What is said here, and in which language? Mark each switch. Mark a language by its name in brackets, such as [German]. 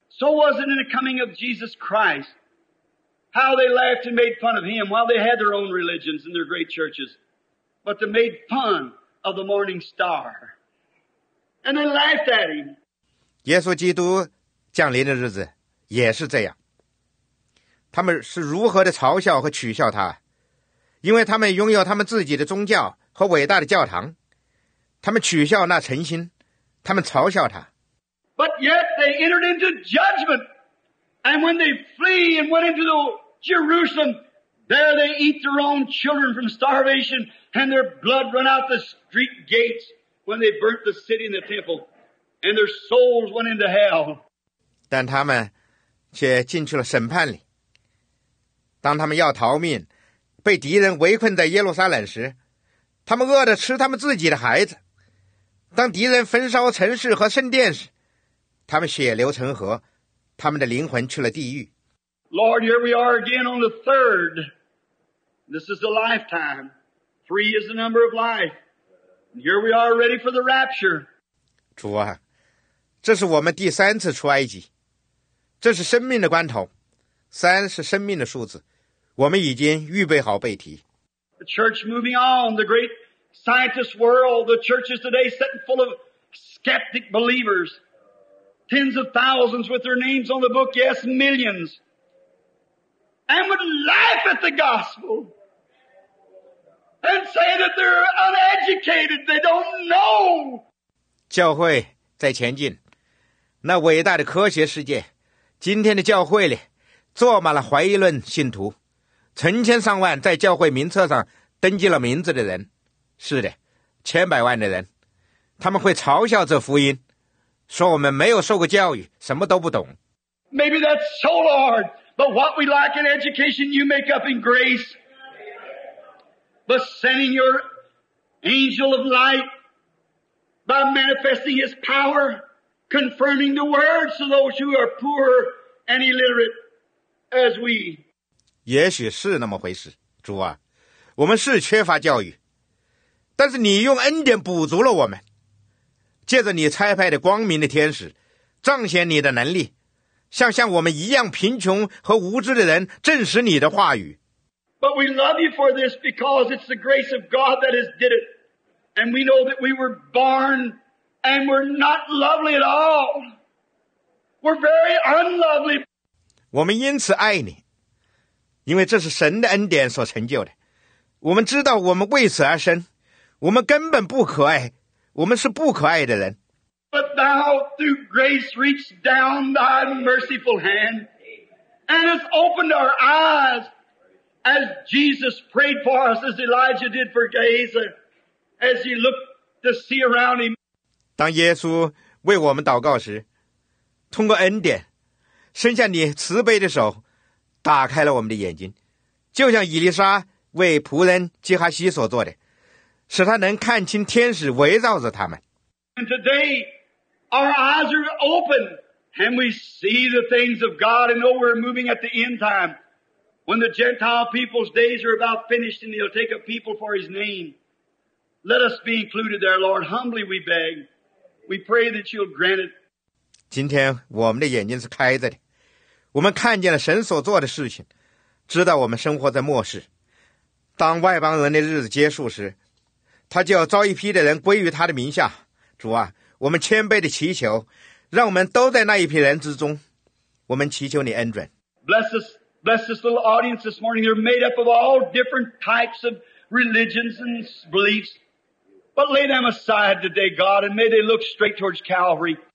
[English] So was it in the coming of Jesus Christ, how they laughed and made fun of him while they had their own religions and their great churches, but they made fun of the morning star. And they laughed at him. [Chinese] 耶稣基督降临的日子也是这样。他们是如何的嘲笑和取笑他，因为他们拥有他们自己的宗教和伟大的教堂，他们取笑那诚心，他们嘲笑他。 [English] But yet they entered into judgment, and when they flee and went into the Jerusalem, there they eat their own children from starvation, and their blood run out the street gates when they burnt the city and the temple, and their souls went into hell. [Chinese] 但他们却进去了审判里。当他们要逃命，被敌人围困在耶路撒冷时，他们饿得吃他们自己的孩子；当敌人焚烧城市和圣殿时，他们血流成河，他们的灵魂去了地狱。 [English] Lord, here we are again on the third. This is the lifetime. Three is the number of life. Here we are ready for the rapture. [Chinese] 主啊，这是我们第三次出埃及，这是生命的关头。三是生命的数字，我们已经预备好被提。 [English] The church moving on, the great scientist world, the churches today sitting full of skeptic believers, tens of thousands with their names on the book, yes, millions, and would laugh at the gospel and say that they're uneducated, they don't know. [Chinese] 教会在前进，那伟大的科学世界，今天的教会里坐满了怀疑论信徒，成千上万在教会名册上登记了名字的人，是的，千百万的人，他们会嘲笑这福音，说我们没有受过教育，什么都不懂。 [English] Maybe that's so, Lord, but what we lack in education, you make up in grace. But sending your angel of light by manifesting his power, confirming the words to those who are poor and illiterate.As we, [Chinese] 也许是那么回事，主啊，我们是缺乏教育，但是你用恩典补足了我们，借着你差派的光明的天使彰显你的能力，像我们一样贫穷和无知的人证实你的话语。 [English] But we love you for this because it's the grace of God that has did it. And we know that we were born and we're not lovely at all. We're very unlovely. [Chinese] 我们因此爱你，因为这是神的恩典所成就的。我们知道我们为此而生，我们根本不可爱，我们是不可爱的人。 [English] But thou through grace reach down thy merciful hand and has opened our eyes as Jesus prayed for us, as Elijah did for Gehazi, as he looked to see around him. [Chinese] 当耶稣为我们祷告时，通过恩典伸向你慈悲的手打开了我们的眼睛，就像以利沙为仆人基哈西所做的，使他能看清天使围绕着他们。 [English] And today, our eyes are open, and we see the things of God, and know we're moving at the end time, when the Gentile people's days are about finished, and He'll take a people for His name. Let us be included there, Lord. Humbly we beg, we pray that You'll grant it. [Chinese] 今天我们的眼睛是开着的，我们看见了神所做的事情，知道我们生活在末世。当外邦人的日子结束时，他就要招一批的人归于他的名下。主啊，我们谦卑地祈求，让我们都在那一批人之中。我们祈求你恩准。 [English] Bless this little audience this morning. They're made up of all different types of religions and beliefs, but lay them aside today, God, and may they look straight towards Calvary.